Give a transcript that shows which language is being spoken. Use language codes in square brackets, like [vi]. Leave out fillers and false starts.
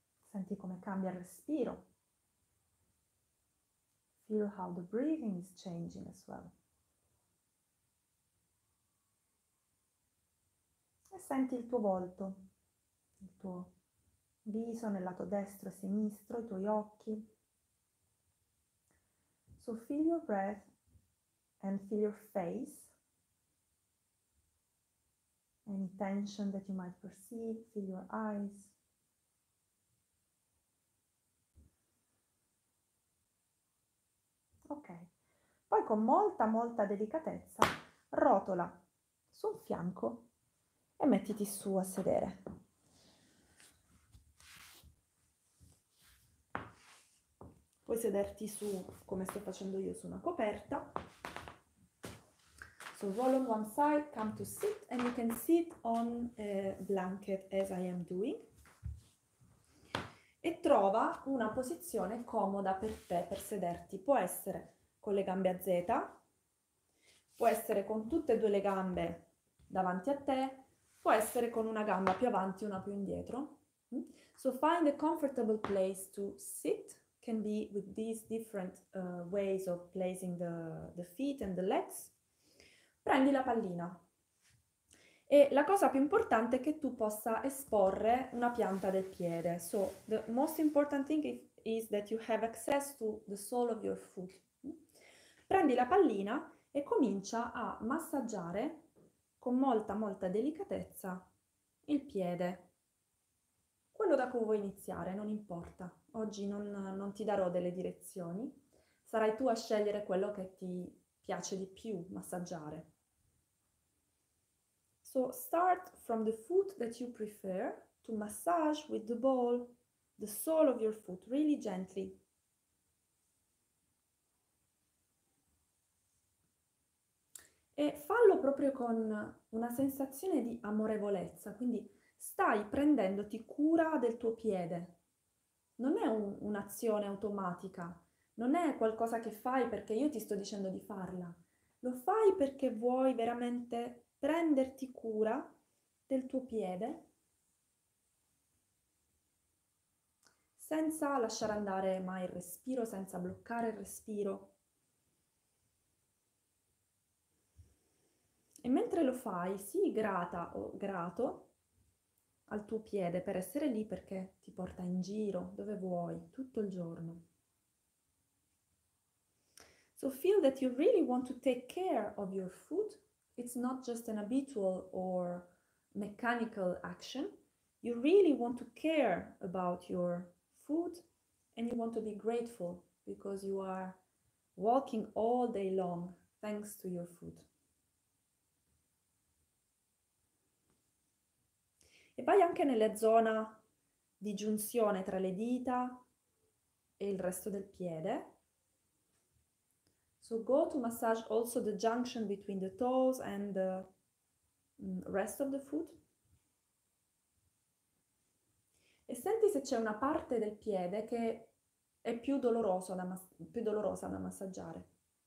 [it] Senti come cambia il respiro. [en] Feel how the breathing is changing as well. [it] E senti il tuo volto, il tuo viso nel lato destro e sinistro, i tuoi occhi. [en] So feel your breath and feel your face. Any tension that you might perceive, feel your eyes. [it] Ok, poi con molta, molta delicatezza rotola su un fianco e mettiti su a sedere. Puoi sederti su, come sto facendo io, su una coperta. [en] So roll on one side, come to sit, and you can sit on a blanket as I am doing. [it] E trova una posizione comoda per te, per sederti. Può essere con le gambe a Z, Può essere con tutte e due le gambe davanti a te, può essere con una gamba più avanti e una più indietro. [en] So find a comfortable place to sit. Can be with these different ways of placing the feet and the legs. [it] Prendi la pallina. E la cosa più importante è che tu possa esporre una pianta del piede. [en] So the most important thing is that you have access to the sole of your foot. [it] Prendi la pallina e comincia a massaggiare con molta, molta delicatezza il piede. Quello da cui vuoi iniziare, non importa. Oggi non ti darò delle direzioni, sarai tu a scegliere quello che ti piace di più massaggiare. [en] So start from the foot that you prefer to massage with the ball, the sole of your foot, really gently. [it] E fallo proprio con una sensazione di amorevolezza, quindi stai prendendoti cura del tuo piede. Non è un'azione automatica, non è qualcosa che fai perché io ti sto dicendo di farla. Lo fai perché vuoi veramente prenderti cura del tuo piede senza lasciare andare mai il respiro, senza bloccare il respiro. E mentre lo fai, sii grata o grato al tuo piede per essere lì perché ti porta in giro dove vuoi tutto il giorno. [en] So feel that you really want to take care of your foot. It's not just an habitual or mechanical action. You really want to care about your foot and you want to be grateful because you are walking all day long thanks to your foot. [it] E vai anche nella zona di giunzione tra le dita e il resto del piede. [en] So go to massage also the junction between the toes and the rest of the foot. [it] E senti se c'è una parte del piede che è più dolorosa da massaggiare.